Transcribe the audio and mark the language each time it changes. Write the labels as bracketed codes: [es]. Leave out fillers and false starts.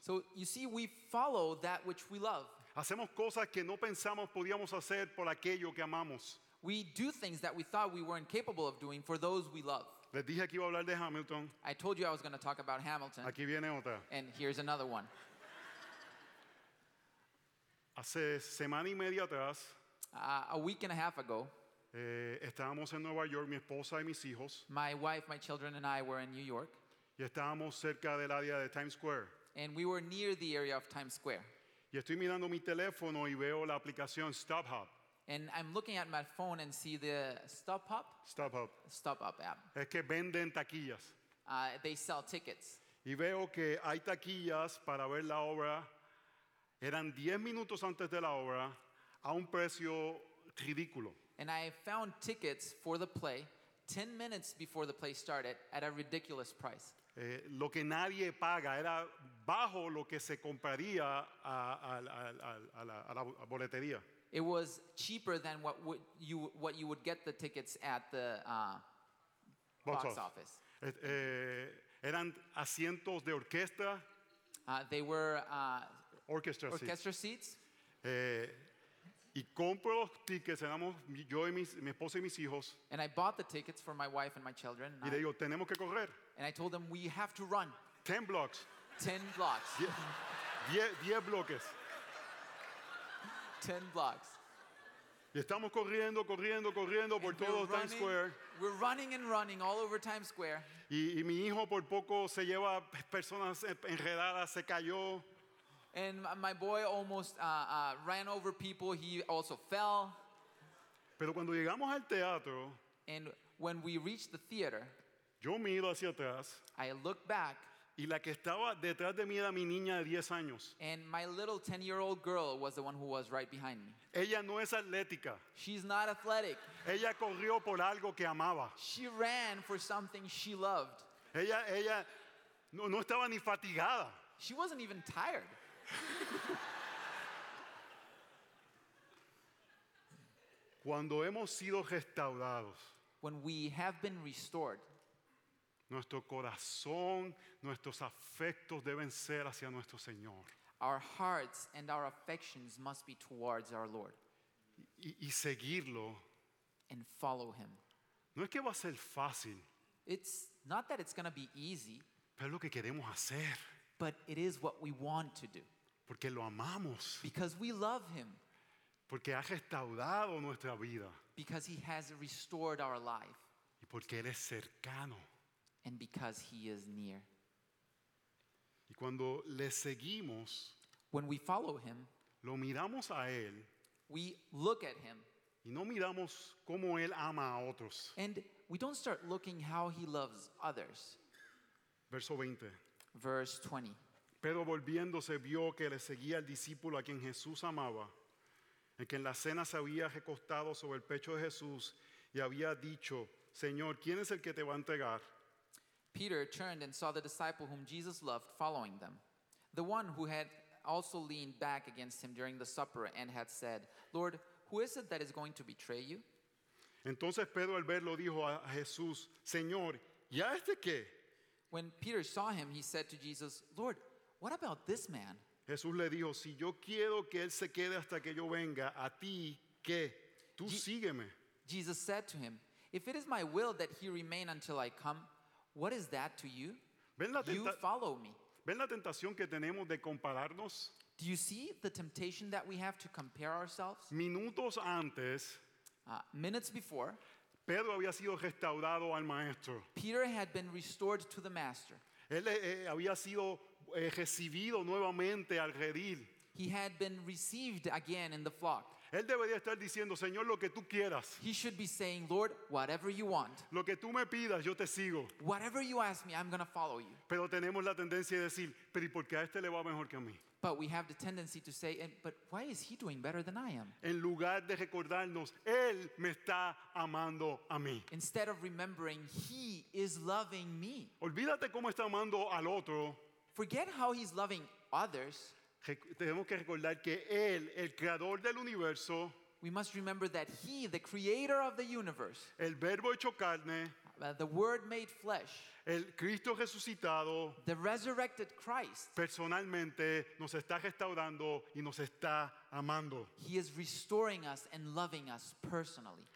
[en] So you see, we follow that which we love. [es] Hacemos cosas que no pensamos podíamos hacer por aquello que amamos. [en] We do things that we thought we weren't capable of doing for those we love. [es] Les dije que iba a hablar de Hamilton. [en] I told you I was going to talk about Hamilton. [es] Aquí viene otra. [en] And here's another one. [es] Hace semana y media atrás, [en] a week and a half ago, [es] estábamos en Nueva York, mi esposa y mis hijos. [en] My wife, my children, and I were in New York. [es] Y estábamos cerca del área de Times Square. [en] And we were near the area of Times Square. [es] Y estoy mirando mi teléfono y veo la aplicación StubHub. [en] And I'm looking at my phone and see the StubHub. StubHub. StubHub app. [es] Es que venden taquillas. [en] They sell tickets. [es] Y veo que hay taquillas para ver la obra. Eran 10 minutos antes de la obra a un precio ridículo. [en] And I found tickets for the play 10 minutes before the play started at a ridiculous price. [es] Lo que nadie paga era bajo lo que se compraría a la boletería. [en] It was cheaper than what you would get the tickets at the box office. [es] Eran asientos de orquesta. [en] They were orchestra seats. [es] Y compro los tickets, éramos yo y mi esposa y mis hijos. [en] And I bought the tickets for my wife and my children. [es] Y le digo, tenemos que correr. [en] And I told them, we have to run. 10 blocks. 10 blocks. [es] 10 bloques. [en] 10 blocks. [es] Y estamos corriendo, corriendo, corriendo por todo Times Square. [en] We're running and running all over Times Square. [es] Y mi hijo por poco se lleva personas enredadas, se cayó. [en] And my boy almost ran over people. He also fell. [es] Pero cuando llegamos al teatro, [en] and when we reached the theater, [es] yo miro hacia atrás, [en] I look back. [es] Y la que estaba detrás de mí era mi niña de 10 años. [en] And my little 10-year-old girl was the one who was right behind me. [es] Ella no es atlética. [en] She's not athletic. [es] Ella corrió por algo que amaba. [en] She ran for something she loved. [es] Ella no estaba ni fatigada. [en] She wasn't even tired. [es] Cuando hemos sido restaurados, [en] when we have been restored, [es] nuestro corazón, nuestros afectos deben ser hacia nuestro Señor. [en] Our hearts and our affections must be towards our Lord. [es] Y seguirlo. [en] And follow him. [es] No es que va a ser fácil. [en] It's not that it's going to be easy. [es] Pero es lo que queremos hacer. [en] But it is what we want to do. [es] Porque lo amamos. [en] Because we love him. [es] Porque ha restaurado nuestra vida. [en] Because he has restored our life. [es] Y porque él es cercano. [en] And because he is near. [es] Y cuando le seguimos, [en] when we follow him, [es] lo miramos a él, [en] we look at him, [es] y no miramos cómo él ama a otros. [en] And we don't start looking how he loves others. [es] Verso 20. [en] Verse 20. [es] Pero volviéndose vio que le seguía el discípulo a quien Jesús amaba, el que en la cena se había recostado sobre el pecho de Jesús y había dicho, Señor, ¿quién es el que te va a entregar? [en] Peter turned and saw the disciple whom Jesus loved following them, the one who had also leaned back against him during the supper and had said, Lord, who is it that is going to betray you? [es] Entonces Pedro al verlo dijo a Jesús, Señor, ¿y a este qué? [en] When Peter saw him, he said to Jesus, Lord, what about this man? [es] Jesús le dijo, si yo quiero que él se quede hasta que yo venga, ¿a ti qué? Tú sígueme. [en] Jesus said to him, if it is my will that he remain until I come, what is that to you? You follow me. [es] ¿Ven la tentación que tenemos de compararnos? [en] Do you see the temptation that we have to compare ourselves? [es] Minutos antes, [en] minutes before, [es] Pedro había sido restaurado al maestro. [en] Peter had been restored to the master. [es] Él había sido recibido nuevamente al redil. [en] He had been received again in the flock. [es] Él debería estar diciendo, Señor, lo que tú quieras. [en] He should be saying, Lord, whatever you want. [es] Lo que tú me pidas, yo te sigo. [en] Whatever you ask me, I'm going to follow you. [es] Pero tenemos la tendencia de decir, pero ¿y por qué a este le va mejor que a mí? [en] But we have the tendency to say, but why is he doing better than I am? [es] En lugar de recordarnos, él me está amando a mí. [en] Instead of remembering, he is loving me. [es] Olvídate cómo está amando al otro. [en] Forget how he's loving others. [es] Tenemos que recordar que él, el creador del universo, [en] we must remember that he, the creator of the universe, [es] el verbo hecho carne, [en] the word made flesh, [es] el Cristo resucitado, [en] the resurrected Christ, [es] personalmente nos está restaurando y nos está amando. [en] He is restoring us and loving us personally.